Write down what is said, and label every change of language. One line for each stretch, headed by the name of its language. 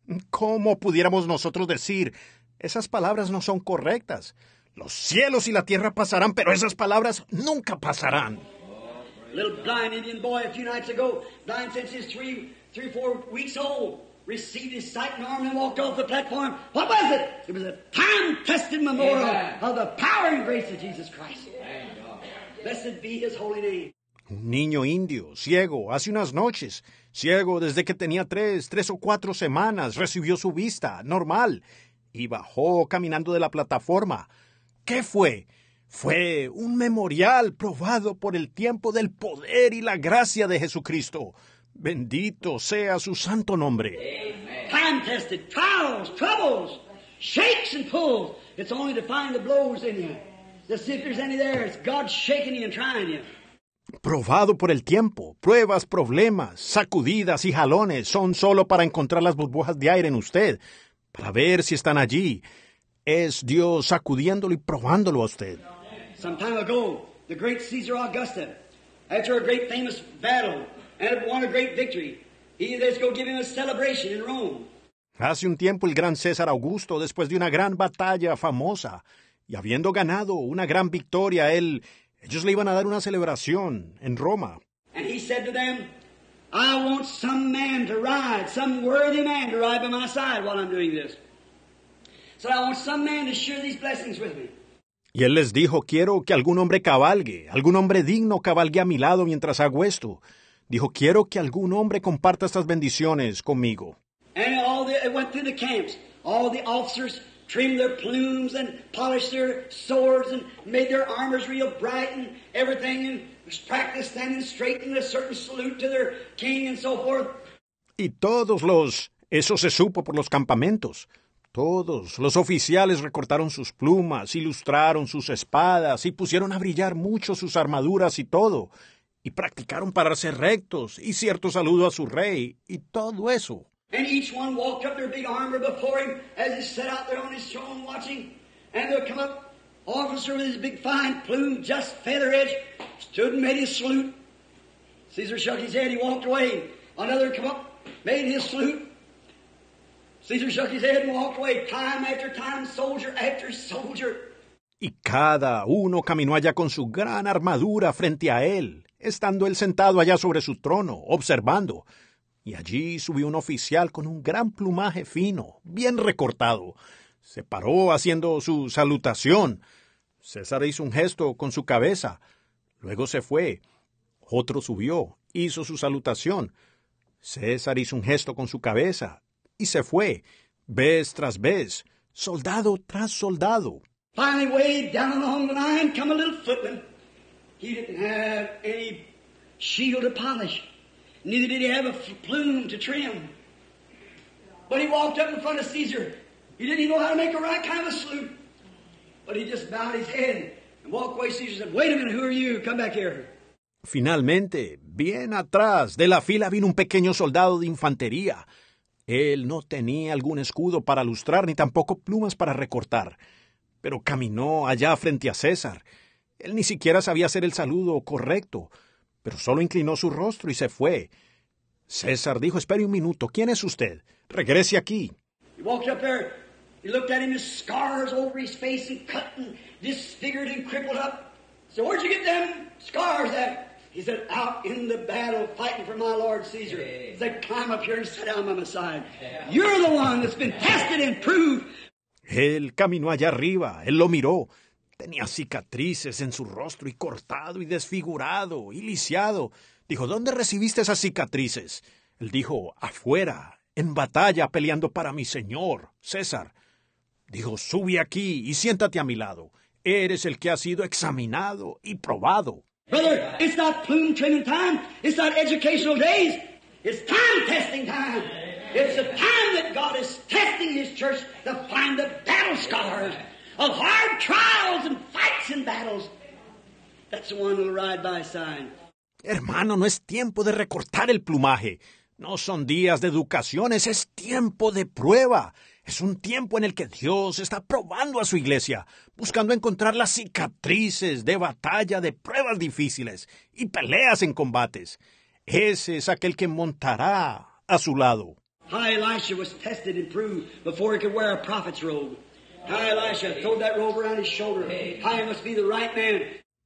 Spanish: ¿Cómo pudiéramos nosotros decir, esas palabras no son correctas? Los cielos y la tierra pasarán, pero esas palabras nunca pasarán.
English: Little blind Indian boy a few nights ago, blind since he's three, four weeks old, received his sight and arm and walked off the platform. What was it? It was a time-tested memorial of the power and grace of Jesus Christ. Blessed be His holy name.
Spanish: Un niño indio, ciego, hace unas noches, ciego desde que tenía tres o cuatro semanas, recibió su vista, normal, y bajó caminando de la plataforma. ¿Qué fue? Fue un memorial probado por el tiempo del poder y la gracia de Jesucristo. Bendito sea su santo nombre.
English: Time tested, trials, troubles, shakes and pulls. It's only to find the blows in you. To see if there's any there. It's God shaking you and trying you.
Spanish: Probado por el tiempo, pruebas, problemas, sacudidas y jalones son solo para encontrar las burbujas de aire en usted, para ver si están allí. Es Dios sacudiéndolo y probándolo a usted.
English: Some time ago, the great Caesar Augustus, after a great famous battle, and won a great victory, he was going to give him a celebration in Rome.
Spanish: Hace un tiempo, el gran César Augusto, después de una gran batalla famosa, y habiendo ganado una gran victoria, ellos le iban a dar una celebración en Roma.
English: And he said to them, I want some man to ride, some worthy man to ride by my side while I'm doing this. So I want some man to share these blessings with me.
Spanish: Y él les dijo, quiero que algún hombre cabalgue, algún hombre digno cabalgue a mi lado mientras hago esto. Dijo, quiero que algún hombre comparta estas bendiciones conmigo.
English: And all the, it went through the camps. All the officers trimmed their plumes and polished their swords and made their armors real bright and everything and practiced standing straight in a certain salute to their king and so forth.
Spanish: Y todos los, eso se supo por los campamentos. Todos los oficiales recortaron sus plumas, ilustraron sus espadas y pusieron a brillar mucho sus armaduras y todo. Y practicaron pararse rectos y cierto saludo a su rey y todo eso.
English: And each one walked up their big armor before him as he sat out there on his throne watching. And there come up officer with his big fine plume, just feather edge, stood and made his salute. Caesar shook his head, he walked away. Another come up, made his salute. Caesar shook his head and walked away, time after time, soldier after soldier.
Spanish: Y cada uno caminó allá con su gran armadura frente a él, estando él sentado allá sobre su trono, observando. Y allí subió un oficial con un gran plumaje fino, bien recortado. Se paró haciendo su salutación. César hizo un gesto con su cabeza. Luego se fue. Otro subió, hizo su salutación. César hizo un gesto con su cabeza. Y se fue, vez tras vez, soldado tras soldado.
English: Finally, way down along the line, come a little footman. He didn't have any shield to polish. Neither did he have a plume to trim. But he walked up in front of Caesar. He didn't even know how to make a right kind of salute. But he just bowed his head and walked away. Caesar said, wait a minute, who are you? Come back here.
Spanish: Finalmente, bien atrás de la fila vino un pequeño soldado de infantería. Él no tenía algún escudo para lustrar ni tampoco plumas para recortar, pero caminó allá frente a César. Él ni siquiera sabía hacer el saludo correcto, pero solo inclinó su rostro y se fue. César dijo, espere un minuto, ¿quién es usted? Regrese aquí.
English: He walked up there, he looked at him, his scars over his face and cut and disfigured and crippled up. He said, where'd you get them scars at? He said, out in the battle, fighting for my lord Caesar. He said, climb up here and sit down by my side. You're the one that's been tested and proved.
Spanish: Él caminó allá arriba. Él lo miró. Tenía cicatrices en su rostro y cortado y desfigurado y lisiado. Dijo, ¿dónde recibiste esas cicatrices? Él dijo, afuera, en batalla, peleando para mi señor, César. Dijo, sube aquí y siéntate a mi lado. Eres el que ha sido examinado y probado.
English: Brother, it's not plume training time. It's not educational days. It's time testing time. It's the time that God is testing his church to find the battle scars of hard trials and fights and battles. That's the one who'll ride by sign.
Spanish: Hermano, no es tiempo de recortar el plumaje. No son días de educaciones, es tiempo de prueba. Es un tiempo en el que Dios está probando a su iglesia, buscando encontrar las cicatrices de batalla, de pruebas difíciles y peleas en combates. Ese es aquel que montará a su lado.
English: How Elisha was tested and proved before he could wear a prophet's robe. How Elisha threw that robe around his shoulder. How he must be the right man.